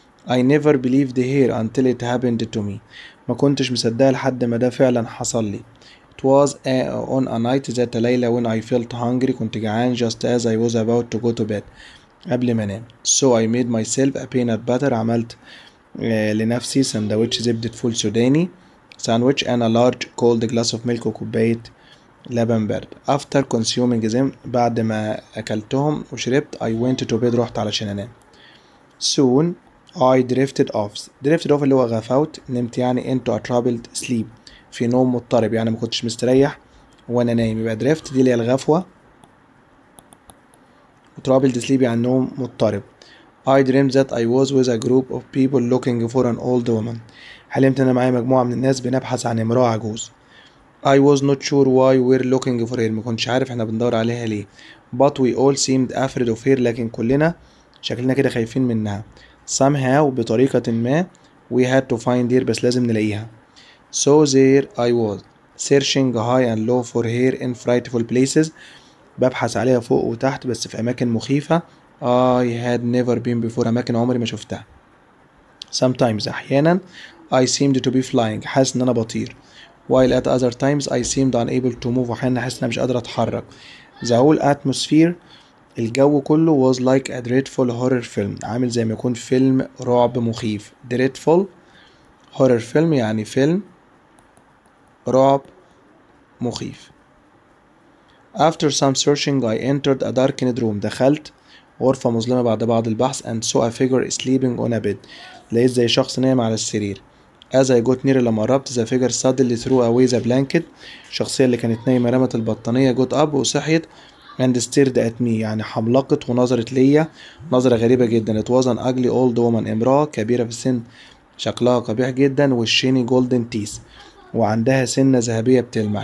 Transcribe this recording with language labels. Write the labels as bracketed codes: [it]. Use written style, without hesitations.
[en] I never believed her until it happened to me. [ar] ما كنتش مصدقها لحد ما ده فعلا حصل لي. [en] It was on a night [ar] ذات ليلة [en] when I felt hungry. [ar] كنت جعان [en] just as I was about to go to bed. [ar] قبل ما انام. [en] So I made myself a peanut butter. [ar] عملت لنفسي سندوتش زبدة فول سوداني. [en] Sandwich and a large cold glass of milk. [ar] وكوباية لبن برد. [en] After consuming them. [ar] بعد ما اكلتهم وشربت. [en] I went to bed. [ar] رحت علشان انام. [en] Soon. I drifted off. Drifted off [ar] اللي هو غفوت. نمت يعني [en] into a troubled sleep. [ar] في نوم مضطرب يعني ما كنتش مستريح وانا نايم. يبقى drift دي اللي هي الغفوة. [en] Troubled sleep [ar] يعني نوم مضطرب. [en] I dreamed that I was with a group of people looking for an old woman. [ar] حلمت انا معايا مجموعة من الناس بنبحث عن امرأة عجوز. [en] I was not sure why we're looking for her. [ar] ما كنتش عارف احنا بندور عليها ليه. [en] But we all seemed afraid of her. [ar] لكن كلنا شكلنا كده خايفين منها. [en] Somehow [ar] بطريقة ما [en] we had to find her [ar] بس لازم نلاقيها. [en] So there I was searching high and low for her in frightful places. [ar] ببحث عليها فوق وتحت بس في أماكن مخيفة. [en] I had never been before. [ar] أماكن عمري ما شفتها. [en] Sometimes [ar] أحيانا [en] I seemed to be flying. [ar] حاسس إن أنا بطير. [en] While at other times I seemed unable to move. [ar] وأحيانا حاسس إن أنا مش قادر أتحرك. [en] The whole atmosphere [ar] الجو كله [en] was like a dreadful horror film. [ar] عامل زي ما يكون فيلم رعب مخيف. [en] Dreadful horror film [ar] يعني فيلم رعب مخيف. [en] After some searching I entered a darkened room. [ar] دخلت غرفة مظلمة بعد بعض البحث [en] and saw a figure sleeping on a bed. [ar] لقيت زي شخص نايم على السرير. [en] As I got nearer [ar] لما قربت [en] the figure suddenly threw away the blanket. [ar] الشخصية اللي كانت نايمة رمت البطانية [en] got up [ar] وصحيت [en] and stared at me [ar] يعني حملقت ونظرت ليا نظرة غريبة جدا. [en] It was an ugly old woman [ar] امرأة كبيرة في السن شكلها قبيح جدا والشيني [en] golden teeth [ar] وعندها سنة ذهبية بتلمع.